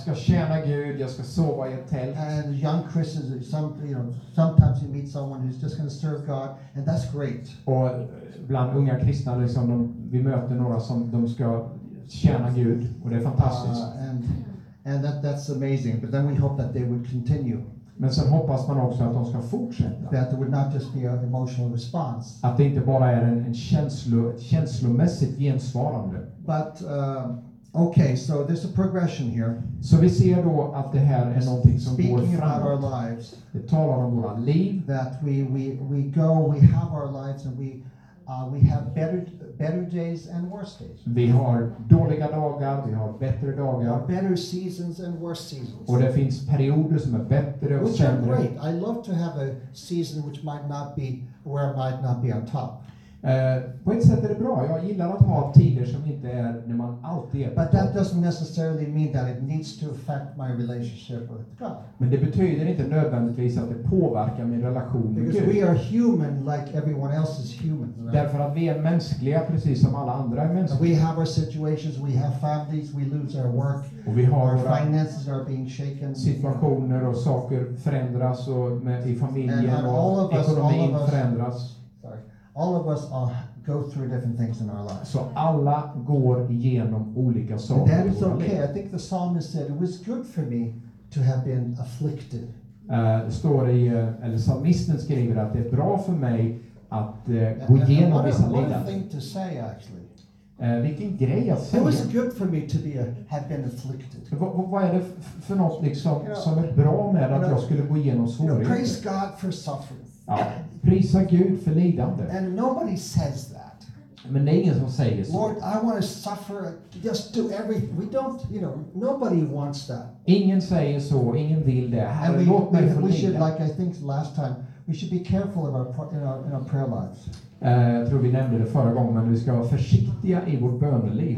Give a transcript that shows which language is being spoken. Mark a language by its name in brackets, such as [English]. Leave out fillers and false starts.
[Swedish] ska tjäna Gud, jag ska sova i ett tält. [English] And young Christians, sometimes you meet someone who's just going to serve God, and that's great. [Swedish] Och bland unga kristna liksom, vi möter några som de ska tjäna Gud, och det är fantastiskt. [English] And that's amazing, but then we hope that they would continue. [Swedish] Men sen hoppas man också att de ska fortsätta. [English] That it would not just be an emotional response. [Swedish] Att det inte bara är en känslomässigt gensvarande. [English] But okay, so there's a progression here. [Swedish] Så vi ser då att det här är någonting som [English] speaking [Swedish] går framåt. [English] Our lives, [Swedish] det talar om våra liv. [English] That we go, we have our lives, and we have better days and worse days. [Swedish] Vi har dåliga dagar, vi har bättre dagar. [English] Or better seasons and worse seasons. [Swedish] Och det finns perioder som är bättre och [English] which [Swedish] sämre. [English] Great. I love to have a season which might not be where I might not be on top. [Swedish] På ett sätt är det bra. Jag gillar att ha tider som inte är när man alltid är. [English] But that doesn't necessarily mean that it needs to affect my relationship with God. [Swedish] Men det betyder inte nödvändigtvis att det påverkar min relation med Gud. [English] Because we are human like everyone else is human. Right? [Swedish] Därför att vi är mänskliga precis som alla andra är mänskliga. [English] We have our situations, we have families, we lose our work. [Swedish] Och vi har [English] our finances are being shaken. [Swedish] Situationer och saker förändras och med i familjen och ekonomin förändras. [English] All of us go through different things in our lives. [Swedish] Så alla går igenom olika saker. [English] That is okay. I think the psalmist said it was good for me to have been afflicted. [Swedish] Eller psalmisten skriver att det är bra för mig att gå igenom vissa lidanden. [English] What a thing to say, actually. [Swedish] Vilken grej att säga. [English] It was good for me to have been afflicted. [Swedish] Vad är det för något liksom som är bra med att jag skulle gå igenom svårigheter? [English] Praise God for suffering. [Swedish] Ja, prisa Gud för lidande. [English] And nobody says that. [Swedish] Men det är ingen som säger så. [English] Lord, I want to suffer, just do everything. We don't, you know, nobody wants that. [Swedish] Ingen säger så, ingen vill det. [English] And we should, like I think last time, we should be careful in our prayer lives. [Swedish] Jag tror vi nämnde det förra gången, men vi ska vara försiktiga i vårt böneliv.